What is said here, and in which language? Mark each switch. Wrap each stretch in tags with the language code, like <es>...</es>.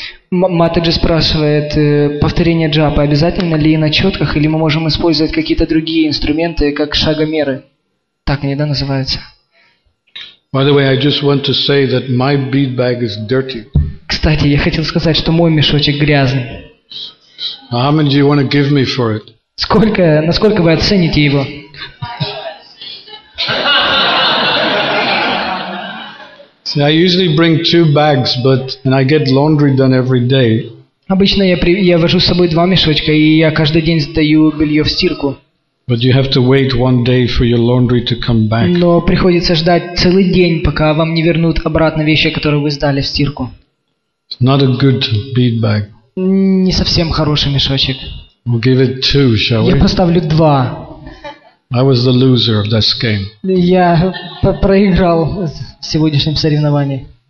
<ru>Матаджи спрашивает, повторение джапы обязательно ли на четках, или мы можем использовать какие-то другие инструменты, как шагомеры? Так они, да, называются?</ru> <en>By the way, I just want to say that my bead bag is dirty.</en> <ru>Кстати, я хотел сказать, что мой мешочек грязный.</ru> <en>How many do you want to give me for it?</en> <ru>Сколько, насколько вы оцените его?</ru> <en>See, I usually bring two bags, but and I get laundry done every day.</en> <ru>Обычно я вожу с собой два мешочка, и я каждый день сдаю белье в стирку.</ru> <en>But you have to wait one day for your laundry to come back.</en> <ru>Но приходится ждать целый день, пока вам не вернут обратно вещи, которые вы сдали в стирку.</ru> <en>It's not a good bead bag.</en> <ru>Не совсем хороший мешочек.</ru> <en>We'll give it two, shall we?</en> <ru>Я поставлю два.</ru> <en>I was the loser of this game.</en> <ru>Я проиграл в сегодняшнем соревновании.</ru>